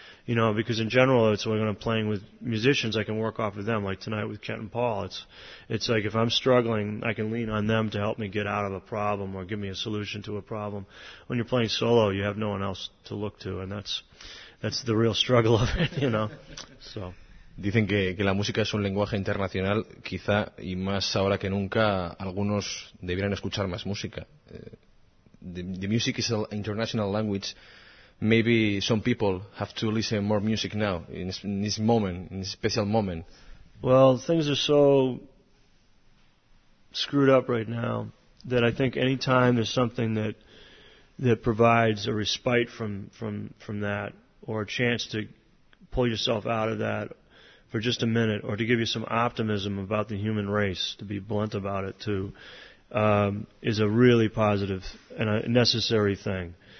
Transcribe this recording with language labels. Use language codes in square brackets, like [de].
[en] You know, because in general, it's when I'm playing with musicians, I can work off of them. Like tonight with Kent and Paul, it's like if I'm struggling, I can lean on them to help me get out of a problem or give me a solution to a problem. When you're playing solo, you have no one else to look to, and that's the real struggle of it, you know. So. [es] Dicen que la música es un lenguaje internacional, quizá, y más ahora que nunca, algunos debieran escuchar más música. [en] The music is an international language. Maybe some people have to listen more music now, in this special moment. Well, things are so screwed up right now that I think any time there's something that provides a respite from that or a chance to pull yourself out of that for just a minute or to give you some optimism about the human race, to be blunt about it too, is a really positive and a necessary thing.